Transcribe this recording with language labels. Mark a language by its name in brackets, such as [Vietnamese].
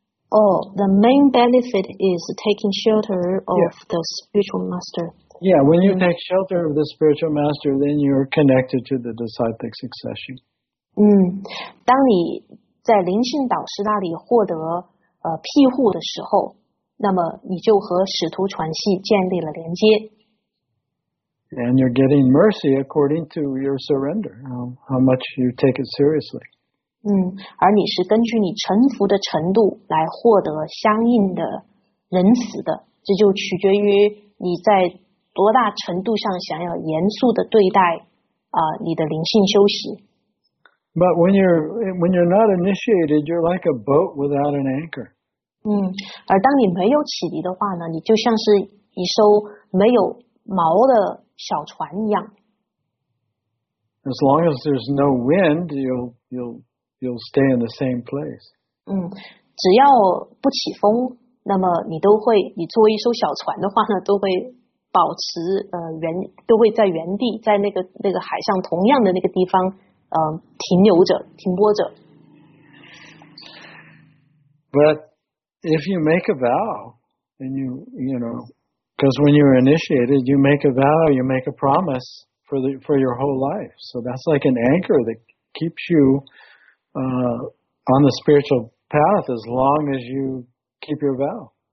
[English] The main benefit is taking shelter of the spiritual master. Yeah, when you take shelter of the spiritual master, then you're connected to the disciplic succession. [Chinese] 当你在灵性导师那里获得庇护的时候，那么你就和使徒传系建立了连接。 [English] And you're getting mercy according to your surrender, how much you take it seriously. [Chinese] 而你是根据你臣服的程度来获得相应的仁慈的，这就取决于你在多大程度上想要严肃的对待你的灵性修习。 [English] But when you're not initiated, you're like a boat without an anchor. [Chinese] 而当你没有启迪的话呢，你就像是一艘没有锚的小船一样。 [English] As long as there's no wind, you'll stay in the same place. [Chinese] 只要不起风，那么你作为一艘小船的话呢，都会保持都会在原地，在那个海上同样的那个地方。停留着，停泊着。 [English] But if you make a vow, and you know, because when you're initiated, you make a vow, you make a promise for your whole life. So that's like an anchor that keeps you on the spiritual path as long as you keep your vow.